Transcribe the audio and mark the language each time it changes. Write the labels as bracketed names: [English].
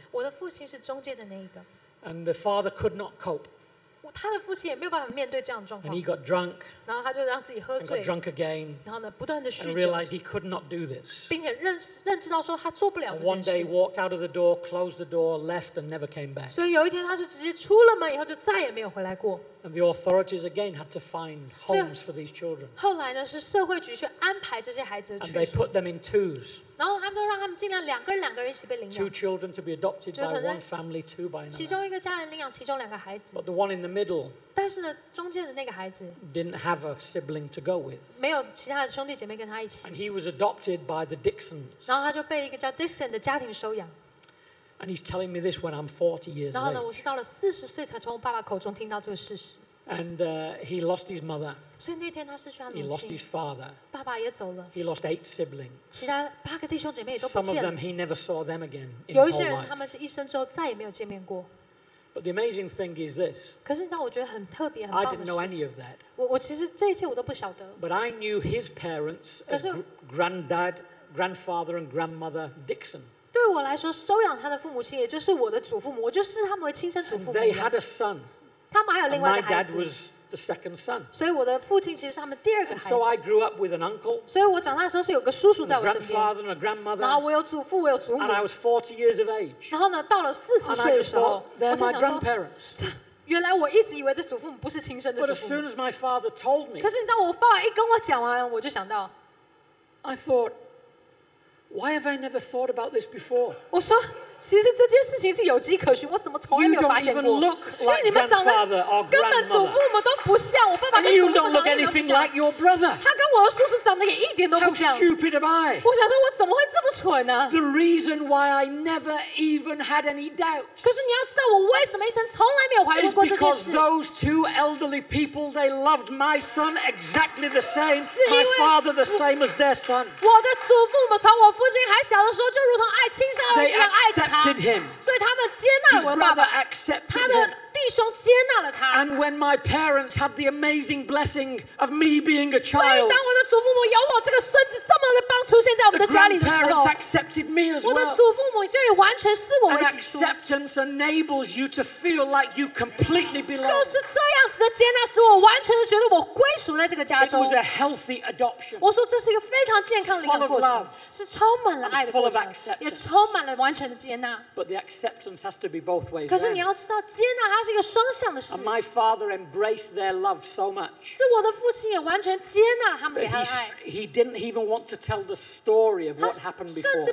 [Chinese] 我的父亲是中间的那一个。 [English] And the father could not cope. [Chinese] 他的父亲也没有办法面对这样的状况。 [English] And he got drunk. [Chinese] 然后他就让自己喝醉。 [English] And got drunk again. [Chinese] 然后呢，不断的酗酒。 [English] And realized he could not do this. [Chinese] 并且认知到说他做不了这件事。 [English] One day walked out of the door, closed the door, left, and never came back. [Chinese] 所以有一天他是直接出了门以后就再也没有回来过。 [English] And the authorities again had to find homes for these children. [Chinese] 后来呢，是社会局去安排这些孩子的去处。 [English] And they put them in twos. [Chinese] 然后他们都让他们尽量两个人一起被领养。 [English] Two children to be adopted by one family, two by another. [Chinese] 其中一个家人领养其中2个孩子。 [English] But the one in the middle. [Chinese] 但是呢，中间的那个孩子 [English] didn't have a sibling to go with. [Chinese] 没有其他的兄弟姐妹跟他一起。 [English] And he was adopted by the Dixons. [Chinese] 然后他就被一个叫 Dixon 的家庭收养。 [English] And he's telling me this when I'm 40 years old. [Chinese] 然后呢，我是到了40岁才从我爸爸口中听到这个事实。 [English] And he lost his mother. [Chinese] 所以那天他失去他母亲。 [English] He lost his father. [Chinese] 爸爸也走了。 [English] He lost 8 siblings. [Chinese] 其他8个弟兄姐妹也都不见了。 [English] Some of them he never saw them again. [Chinese] 有一些人他们是一生之后再也没有见面过。 [English] But the amazing thing is this. [Chinese] 可是你知道我觉得很特别、很棒的是。 [English] I didn't know any of that. [Chinese] 我其实这一切我都不晓得。 [English] But I knew his parents, as granddad, grandfather, and grandmother Dixon. [Chinese] 对我来说，收养他的父母亲，也就是我的祖父母，我就是他们为亲生祖父母。 [English] And they had a son. [Chinese] 他们还有另外一个孩子。 [English] My dad was the second son. [Chinese] 所以我的父亲其实是他们第二个孩子。 [English] So I grew up with an uncle. [Chinese] 所以我长大的时候是有个叔叔在我身边。 [English] A grandfather and a grandmother. [Chinese] 然后我有祖父，我有祖母。 [English] And I was 40 years of age. [Chinese] 然后呢，到了40岁的时候， [English] they're my grandparents. [Chinese] 原来我一直以为的祖父母不是亲生的祖父母。 [English] But as soon as my father told me, [Chinese] 可是你知道我爸爸一跟我讲完，我就想到 [English] ，I thought, why have I never thought about this before? [Chinese] 我说。其实这件事情是有迹可循，我怎么从来没有发现过？ [English] Like、 [Chinese] 因为你们长得根本祖父母都不像，我爸爸跟祖父母长得都不像。 [English] Like、 [Chinese] 他跟我的叔叔长得也一点都不像。 [English] How stupid am I? [Chinese] 我想说，我怎么会这么蠢呢、啊、 [English] ？The reason why I never even had any doubt. [Chinese] 可是你要知道，我为什么一生从来没有怀疑过这件事 [English] ？Is because those two elderly people they loved my son exactly the same, my father the same as their son. [Chinese] 我的祖父母从我父亲还小的时候就如同爱亲生儿子一样爱着。所以他们接纳了我的爸爸，他的弟兄接纳了他。 [English] And when my parents had the amazing blessing of me being a child, [Chinese] 所以当我的祖父母有我这个孙子这么的棒出现在我们的家里的时候 [English] accepted me as well. [Chinese] 我的祖父母就也完全视我为己。 [English] Acceptance enables you to feel like you completely belong. [Chinese] 就是这样子的接纳使我完全的觉得我归属在这个家中。 [English] It was a healthy adoption. [Chinese] 我说这是一个非常健康的一个过程。 [English] Full of love. [Chinese] 是充满了爱的过程。 [English] Full of acceptance. [Chinese] 也充满了完全的接纳。 [English] But the acceptance has to be both ways. [Chinese] 可是你要知道接纳它是一个双向的事。 [English] And my father embraced their love so much. [Chinese] 是我的父亲也完全接纳了他们给他的爱。 [English] He didn't even want to tell the story of what happened before.